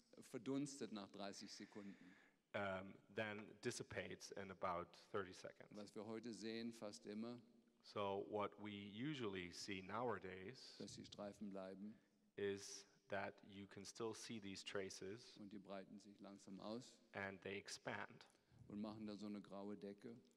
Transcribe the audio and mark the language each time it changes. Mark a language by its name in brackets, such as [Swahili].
[German] verdunstet nach 30 Sekunden. [English] Then dissipates in about 30 seconds. [German] Was wir heute sehen, fast immer. [English] So what we usually see nowadays, [German] dass die Streifen bleiben, [English] is that you can still see these traces, [German] und die breiten sich langsam aus, [English] and they expand, [German] und machen da so eine graue Decke,